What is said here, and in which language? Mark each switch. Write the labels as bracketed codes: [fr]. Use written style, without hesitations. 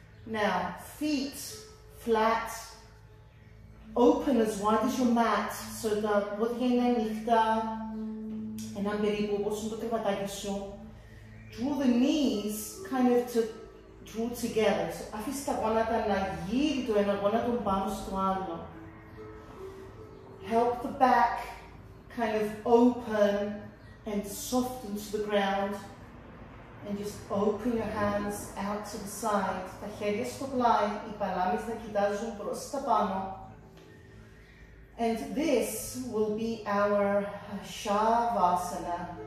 [en] Now, feet flat, open as wide as your mat, so [el] τα πόδια είναι ανοιχτά, ένα περίπου όπως είναι το κρεβατάκι σου. [en] Draw the knees kind of to draw together, so [el] αφήστε τα γόνατα να γύρει το ένα γόνατο πάνω στο άλλο. [en] Help the back kind of open and soften to the ground. And just open your hands out to the side. [el] Τα χέρια στο πλάι, οι παλάμες να κοιτάζουν προς τα πάνω. [en] And this will be our Shavasana.